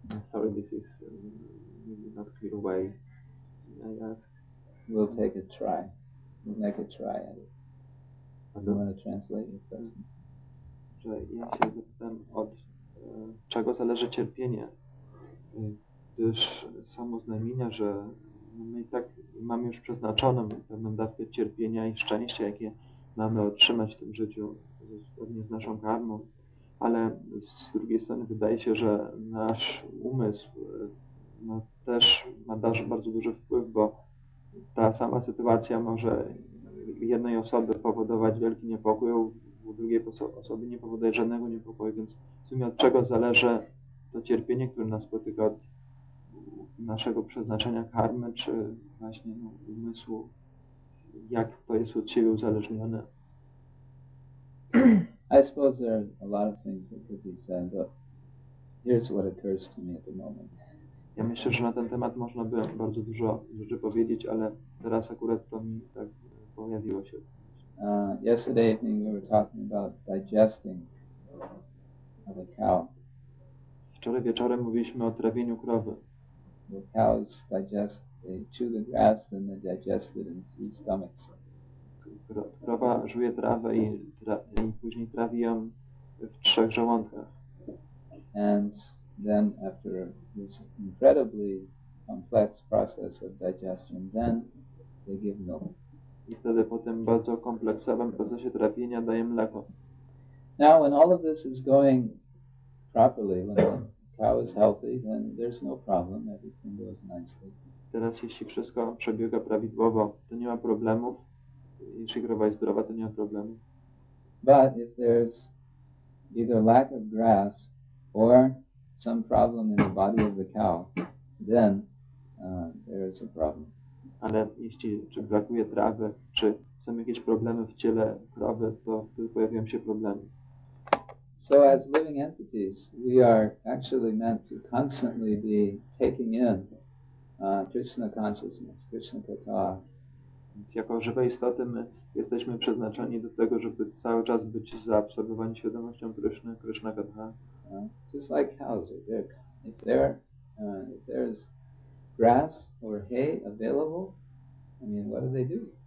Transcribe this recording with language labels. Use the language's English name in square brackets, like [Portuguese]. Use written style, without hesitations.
[English] Sorry, this is maybe not clear way I ask. We'll take a try. We'll make a try at it. Do you want to translate your question? [Polish] Że ja się zapytam, od czego zależy cierpienie? Gdyż samo znamienia, że my i tak mamy już przeznaczoną pewną dawkę cierpienia i szczęścia, jakie mamy otrzymać w tym życiu zgodnie z naszą karmą, ale z drugiej strony wydaje się, że nasz umysł no, też ma bardzo duży wpływ, bo ta sama sytuacja może jednej osoby powodować wielki niepokój, a u drugiej osoby nie powoduje żadnego niepokoju, więc w sumie od czego zależy to cierpienie, które nas spotyka, od naszego przeznaczenia karmy, czy właśnie no, umysłu, jak to jest od siebie uzależnione? [English] I suppose there are a lot of things that could be said, but here's what occurs to me at the moment. [Polish] Ja myślę, że na ten temat można by bardzo dużo rzeczy powiedzieć, ale teraz akurat to mi tak pojawiło się. [English] Yesterday evening we were talking about digesting of a cow. [Polish] Wczoraj wieczorem mówiliśmy o trawieniu krowy. [English] The cows digest, they chew the grass and they digest it in three stomachs. [Polish] Krowa żuje trawę i później trawi ją w trzech żołądkach. [English] And then after this incredibly complex process of digestion, then they give milk. [Polish] I wtedy po tym bardzo kompleksowym procesie trawienia daje mleko. [English] Now when all of this is going properly, when the cow is healthy, then there's no problem, everything goes nicely. [Polish] Teraz jeśli wszystko przebiega prawidłowo, to nie ma problemów. Jeśli krowa jest zdrowa, to nie ma problemu. [English] But if there's either lack of grass or some problem in the body of the cow, then there is a problem. [Polish] Ale jeśli czy brakuje trawy, czy są jakieś problemy w ciele krowy, to wtedy pojawiają się problemy. [English] So as living entities, we are actually meant to constantly be taking in Krishna consciousness, Krishna katha. [Polish] Więc jako żywe istoty my jesteśmy przeznaczeni do tego, żeby cały czas być zaabsorbowani świadomością Kryszny, Kryszna Gadha. [English] Just like cows, if there's grass or hay available, I mean, what do they do?